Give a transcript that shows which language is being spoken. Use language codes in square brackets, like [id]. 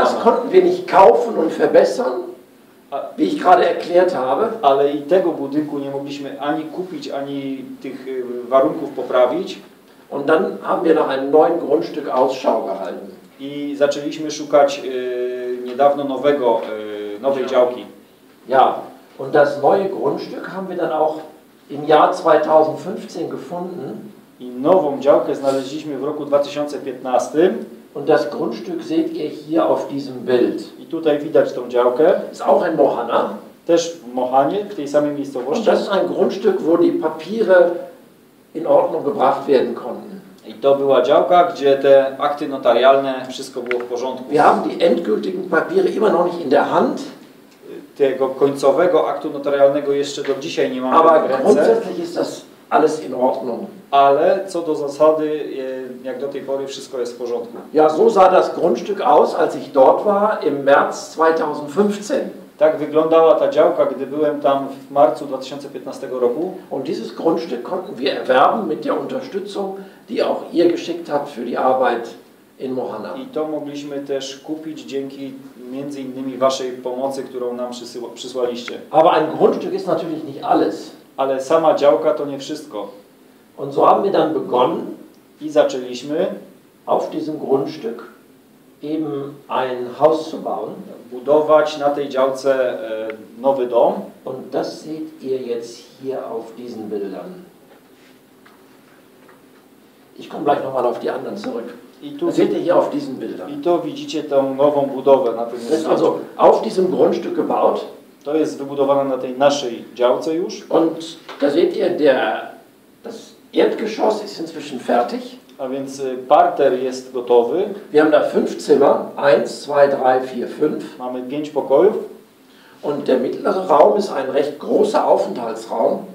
[de] Aber auch das konnten wir nicht kaufen und verbessern. Wie ich gerade erklärt habe. [pl] Ale i tego budynku nie mogliśmy ani kupić, ani tych warunków poprawić. [de] Und dann haben wir nach einem neuen Grundstück Ausschau gehalten. [pl] I zaczęliśmy szukać niedawno nowego, nowej działki. [de] Ja, und das neue Grundstück haben wir dann auch im Jahr 2015 gefunden. [pl] I nową działkę znaleźliśmy w roku 2015. [de] Und das Grundstück seht ihr hier auf diesem Bild. [pl] I tutaj widać tą działkę. [de] Ist auch in Mohana. [pl] Też w Mohanie, w tej samej miejscowości. [de] Und das ist ein Grundstück, wo die Papiere in Ordnung gebracht werden konnten. [pl] I to była działka, gdzie te akty notarialne, wszystko było w porządku. [de] Wir haben die endgültigen Papiere immer noch nicht in der Hand. [pl] Tego końcowego aktu notarialnego jeszcze do dzisiaj nie mamy. [de] Aber grundsätzlich ist das alles in Ordnung. [pl] Ale co do zasady, jak do tej pory, wszystko jest w porządku. [de] Ja, so sah das Grundstück aus, als ich dort war, im März 2015. [pl] Tak wyglądała ta działka, gdy byłem tam w marcu 2015 roku. [de] Und dieses Grundstück konnten wir erwerben mit der Unterstützung, die auch ihr geschickt habt für die Arbeit in Mohana. [pl] I to mogliśmy też kupić dzięki między innymi waszej pomocy, którą nam przysłaliście. [de] Aber ein Grundstück ist natürlich nicht alles. [pl] Ale sama działka to nie wszystko. [de] Und so haben wir dann begonnen, [pl] i zaczęliśmy [de] auf diesem Grundstück eben ein Haus zu bauen, [pl] budować na tej działce nowy dom. [de] Und das seht ihr jetzt hier auf diesen Bildern. Ich komme gleich nochmal auf die anderen zurück. Seht ihr hier auf diesen Bildern. [pl] I to widzicie tą nową budowę na tym miejscu. [de] Also auf diesem Grundstück gebaut. [pl] To jest wybudowane na tej naszej działce już. [de] Und da seht ihr das Erdgeschoss ist inzwischen fertig. [pl] A więc parter jest gotowy. [de] Wir haben da 5 Zimmer. 1, 2, 3, 4, 5. [pl] Mamy 5 pokojów. [de] Und der mittlere Raum ist ein recht großer Aufenthaltsraum.